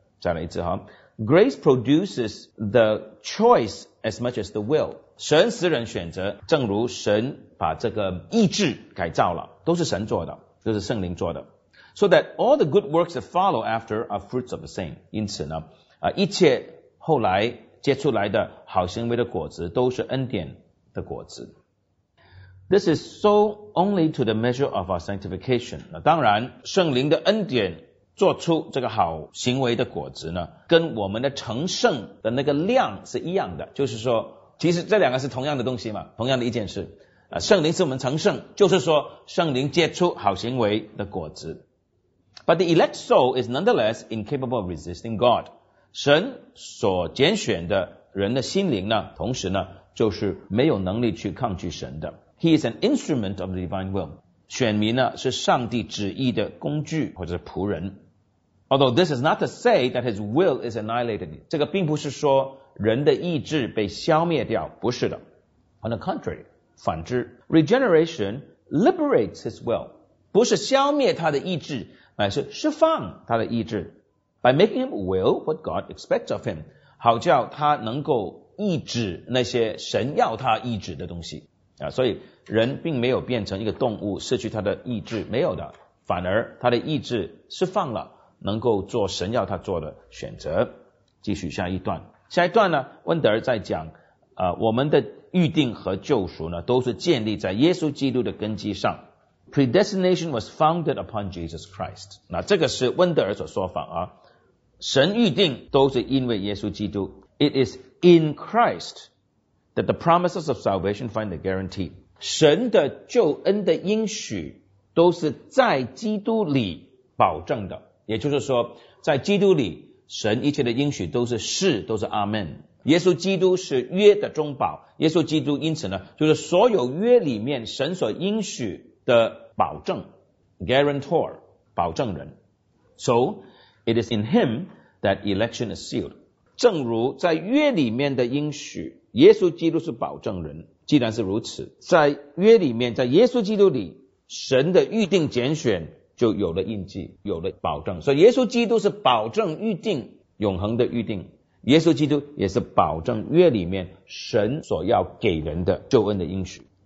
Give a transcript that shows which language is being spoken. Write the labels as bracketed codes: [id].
[zh] 再来一次哈， [en] Grace produces the choice as much as the will. [zh] 神使人选择，正如神把这个意志改造了，都是神做的，都是圣灵做的。 [en] So that all the good works that follow after are fruits of the same. [zh] 因此呢，一切后来结出来的好行为的果子都是恩典的果子。 [en] This is so only to the measure of our sanctification. [zh] 那当然，圣灵的恩典做出这个好行为的果子呢，跟我们的成圣的那个量是一样的，就是说其实这两个是同样的东西嘛，同样的一件事，圣灵是我们成圣，就是说圣灵结出好行为的果子。 [en] But the elect soul is nonetheless incapable of resisting God. [zh] 神所拣选的人的心灵呢，同时呢就是没有能力去抗拒神的。 [en] He is an instrument of the divine will. [zh] 选民呢是上帝旨意的工具或者是仆人。 [en] Although this is not to say that his will is annihilated. [zh] 这个并不是说人的意志被消灭掉，不是的。 [en] On the contrary, [zh] 反之 [en] ,regeneration liberates his will. [zh] 不是消灭他的意志，乃是释放他的意志。 [en] By making him will what God expects of him. [zh] 好叫他能够抑制那些神要他抑制的东西。所以人并没有变成一个动物失去他的意志，没有的。反而他的意志释放了。能够做神要他做的选择。继续下一段，下一段呢温德尔在讲我们的预定和救赎呢都是建立在耶稣基督的根基上。 [en] Predestination was founded upon Jesus Christ。 [zh] 那这个是温德尔所说法啊，神预定都是因为耶稣基督。 [en] It is in Christ that the promises of salvation find a guarantee。 [zh] 神的救恩的应许都是在基督里保证的，也就是说在基督里神一切的应许都是是，都是 Amen。耶稣基督是约的中保，耶稣基督因此呢就是所有约里面神所应许的保证 Guarantor 保证人。 [en] So it is in him that election is sealed. [zh] 正如在约里面的应许，耶稣基督是保证人，既然是如此，在约里面，在耶稣基督里，神的预定拣选就有了印记，有了保证。所以耶稣基督是保证预定，永恒的预定，耶稣基督也是保证约里面神所要给人的救恩的应许。